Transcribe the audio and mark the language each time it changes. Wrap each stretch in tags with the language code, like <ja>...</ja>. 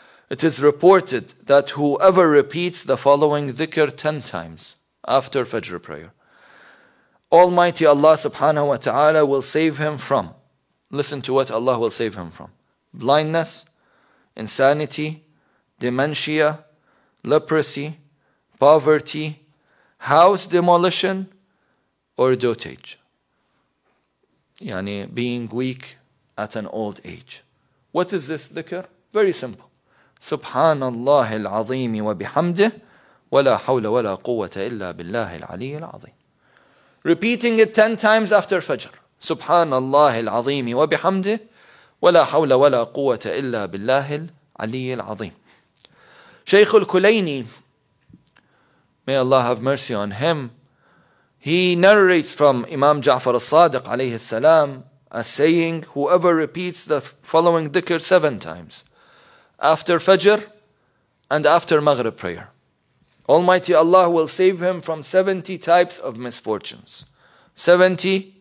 <en>It is reported that whoever repeats the following dhikr 10 times after Fajr prayer, Almighty Allah subhanahu wa ta'ala will save him from, listen to what Allah will save him from, blindness, insanity, dementia, leprosy, poverty, house demolition, or dotage. Yani being weak at an old age. What is this dhikr? Very simple.</en> <ar>Subhanallah al-azim wa bihamdih, وَلَا حَوْلَ وَلَا قُوَّةَ إِلَّا بِاللَّهِ الْعَلِيِّ الْعَظِيمِ.</ar> <en>Repeating it 10 times after Fajr.</en> <ar>سُبْحَانَ اللَّهِ الْعَظِيمِ وَبِحَمْدِهِ وَلَا حَوْلَ وَلَا قُوَّةَ إِلَّا بِاللَّهِ الْعَلِيِّ الْعَظِيمِ.</ar> <en>Shaykh al-Kulayni, may Allah have mercy on him, he narrates from Imam Ja'far al-Sadiq alayhi salam as saying, whoever repeats the following dhikr 7 times after Fajr and after Maghrib prayer, Almighty Allah will save him from 70 types of misfortunes. 70</en>